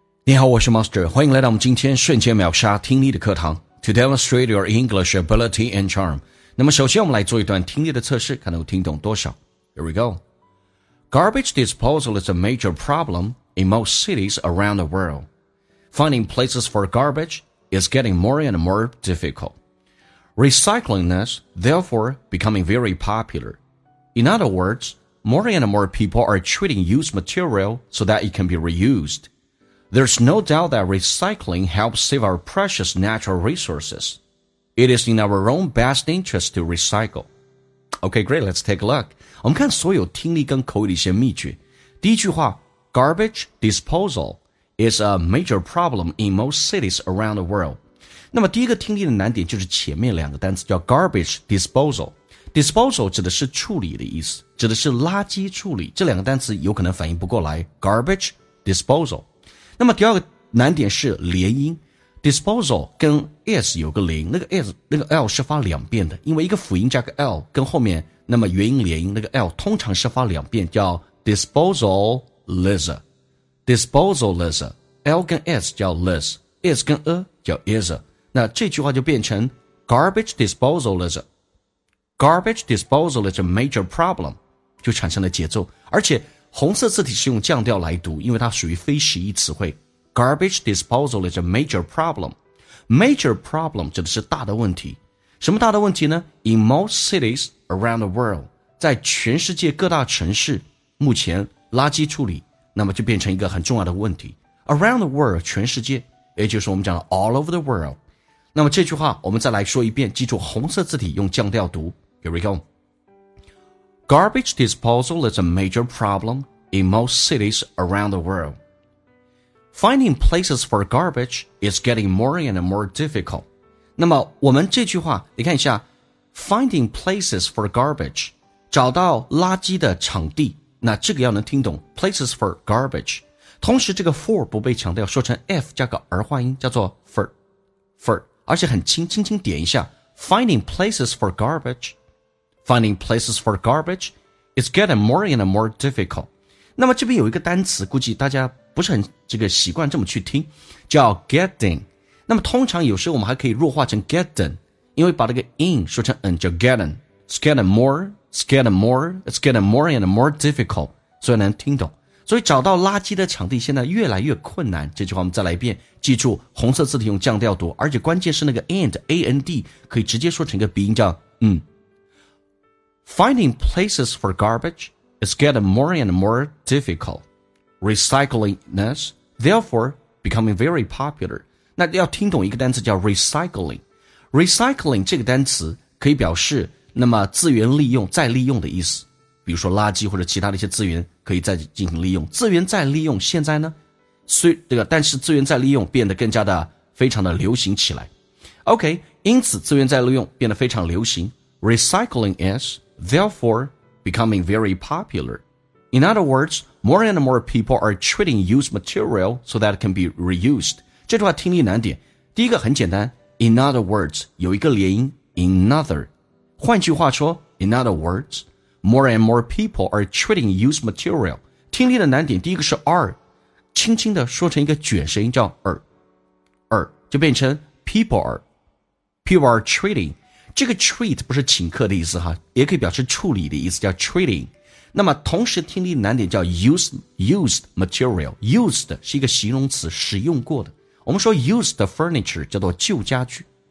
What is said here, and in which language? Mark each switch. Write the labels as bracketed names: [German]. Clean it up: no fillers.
[Chinese] 你好，我是 Master， 欢迎来到我们今天瞬间秒杀听力的课堂 [English] To demonstrate your English ability and charm。 [Chinese] 那么首先我们来做一段听力的测试，看能够听懂多少。 [English] Here we go. Garbage disposal is a major problem in most cities around the world. Finding places for garbage is getting more and more difficult. Recycling is therefore becoming very popular. In other words, more and more people are treating used material so that it can be reusedThere's no doubt that recycling helps save our precious natural resources. It is in our own best interest to recycle. Okay, great, let's take a look. [Chinese] 我们看所有听力跟口语的一些秘诀。第一句话 [English] Garbage disposal is a major problem in most cities around the world. [Chinese] 那么第一个听力的难点就是前面两个单词叫 garbage disposal。 Disposal 指的是处理的意思，指的是垃圾处理。这两个单词有可能反应不过来 garbage disposal。那么第二个难点是连音 disposal 跟 s 有个连音，那个 s 那个 l 是发两遍的，因为一个辅音加个 l 跟后面那么元音连音，那个 l 通常是发两遍，叫 disposalizer disposalizer， l 跟 s 叫 liz， s 跟 a 叫 izer， 那这句话就变成 garbage disposalizer [English] garbage disposal is a major problem， [Chinese] 就产生了节奏，而且红色字体是用降调来读，因为它属于非实义词汇。 [English] Garbage disposal is a major problem. [Chinese] Major problem 指的是大的问题。什么大的问题呢？ [English] In most cities around the world， [Chinese] 在全世界各大城市，目前垃圾处理，那么就变成一个很重要的问题。 [English] Around the world， [Chinese] 全世界，也就是我们讲的 [English] all over the world。 [Chinese] 那么这句话我们再来说一遍，记住红色字体用降调读。 [English] Here we go. Garbage disposal is a major problem in most cities around the world. Finding places for garbage is getting more and more difficult. [Chinese] 那么我们这句话你看一下 [English] Finding places for garbage [Chinese] 找到垃圾的场地，那这个要能听懂 [English] Places for garbage， [Chinese] 同时这个 for 不被强调，说成 F 加个儿化音，叫做 for 而且很轻，轻轻点一下 [English] Finding places for garbageFinding places for garbage is getting more and more difficult. [Chinese] 那么这边有一个单词估计大家不是很这个习惯这么去听，叫 getting。那么通常有时候我们还可以弱化成 getting， 因为把这个 in 说成 n 叫 getting。 [English] It's getting more and more difficult， [Chinese] 所以能听懂。所以找到垃圾的场地现在越来越困难，这句话我们再来一遍，记住红色字体用降调读，而且关键是那个 and A-N-D 可以直接说成一个鼻音叫 [English] Finding places for garbage is getting more and more difficult. Recycling is therefore becoming very popular. [Chinese] 那要听懂一个单词叫 recycling. Recycling 这个单词可以表示那么资源利用再利用的意思，比如说垃圾或者其他的一些资源可以再进行利用。资源再利用现在呢，虽这个但是资源再利用变得更加的非常的流行起来。 OK， 因此资源再利用变得非常流行。 [English] Recycling is. Therefore, becoming very popular. In other words, more and more people are treating used material so that it can be reused. [Chinese] 这句话听力难点。第一个很简单。 [English] In other words, [Chinese] 有一个连音 another. 换句话说 [English] ,in other words, more and more people are treating used material. [Chinese] 听力的难点第一个是 r, 轻轻的说成一个卷声音叫 r, 就变成 [English] people are treating. [Chinese] 这个 treat 不是请客的意思哈，也可以表示处理的意思，叫 treating。那么同时听力难点叫 [English] used material， [Chinese] used 是一个形容词，使用过的，我们说 [English] used furniture [Chinese] 叫做旧家具。